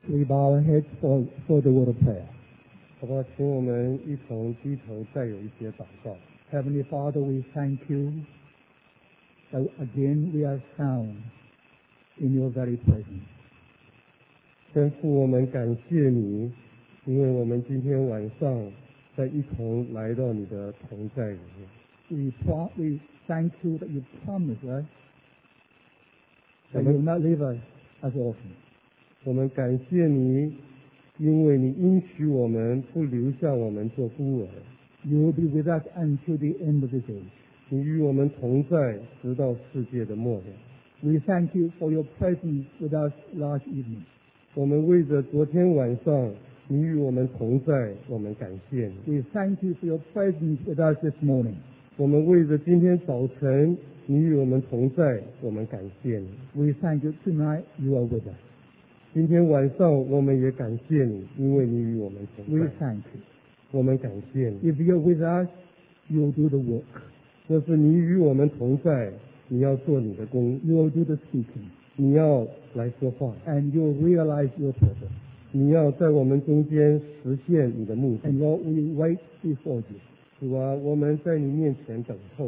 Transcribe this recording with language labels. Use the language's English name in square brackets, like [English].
[English] we bow our heads for the word of prayer. [Chinese] 好吧，请我们一同低头再有一些祷告。 [English] Heavenly Father, we thank you that again we are found in your very presence. [Chinese] 天父，我们感谢你，因为我们今天晚上再一同来到你的同在里面。 [English] We thank you that you promised us that you will not leave us as orphans. [Chinese] 我们感谢你，因为你应许我们不留下我们做孤儿。 [English] You will be with us until the end of this age. [Chinese] 你与我们同在，直到世界的末了。 [English] We thank you for your presence with us last evening. [Chinese] 我们为着昨天晚上你与我们同在，我们感谢你。 [English] We thank you for your presence with us this morning. [Chinese] 我们为着今天早晨你与我们同在，我们感谢你。 [English] We thank you tonight you are with us. [Chinese] 今天晚上我们也感谢你，因为你与我们同在。 [English] We thank you. [Chinese] 我们感谢你。 [English] If you're with us, you'll do the work. [Chinese] 若是你与我们同在，你要做你的工。 [English] You'll do the speaking. [Chinese] 你要来说话。 [English] And you'll realize your purpose. [Chinese] 你要在我们中间实现你的目的。 [English] And Lord, we wait before you. [Chinese] 主啊，我们在你面前等候。